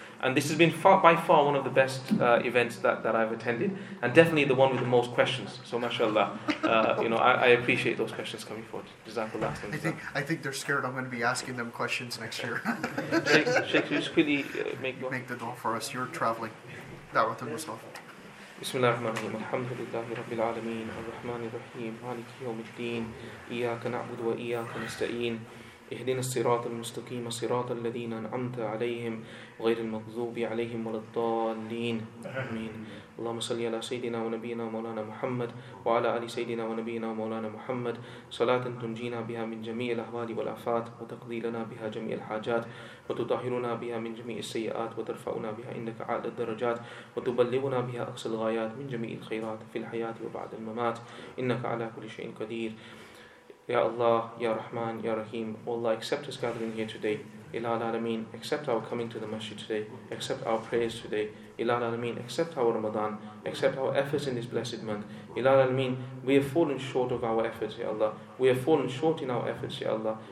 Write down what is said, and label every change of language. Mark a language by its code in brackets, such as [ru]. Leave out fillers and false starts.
[en] And this has been by far one of the best events that I've attended, and definitely the one with the most questions. So mashallah, you know, I appreciate those questions coming forward. Jazakallah. I think they're scared I'm going to be asking them questions next year. Sheikh, just quickly make the dua for us. You're traveling. Da'watul Mustafa. [ar] بسم الله الرحمن الرحيم الحمد لله رب العالمين الرحمن الرحيم مالك يوم الدين إياك نعبد وإياك نستعين اهدنا الصراط المستقيم صراط الذين أنعمت عليهم غير المغضوب عليهم ولا الضالين آمين. اللهم صل على سيدنا ونبينا مولانا محمد وعلى آل سيدنا ونبينا مولانا محمد صلاة تنجينا بها من جميع الأهوال والآفات وتقضي لنا بها جميع الحاجات وتطهرنا بها من جميع السيئات وترفعنا بها إنك أعلى الدرجات وتبلغنا بها أقصى الغايات من جميع الخيرات في الحياة وبعد الممات إنك على كل شيء قدير. [en] Ya Allah, Ya Rahman, Ya Rahim, O Allah, accept us gathering here today. Ilah Al-Alameen, accept our coming to the masjid today. Accept our prayers today. Ilah Al-Alameen, accept our Ramadan. Accept our efforts in this blessed month. Ilah Al-Alameen, we have fallen short of our efforts, Ya Allah. We have fallen short in our efforts, Ya Allah.